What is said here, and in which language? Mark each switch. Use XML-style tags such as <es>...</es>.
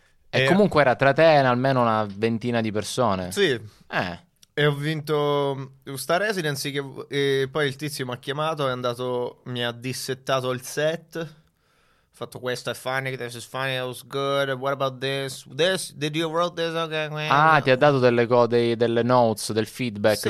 <it>E comunque era tra te e almeno una ventina di persone. Sì. E ho vinto sta residency e poi il tizio mi ha chiamato, mi ha dissettato il set. Ho fatto questo, è funny,</it> <en>this is funny, it was good, what about this? This, did you wrote this? Okay.</en> <it>Ah, ti ha dato delle notes, del feedback,</it>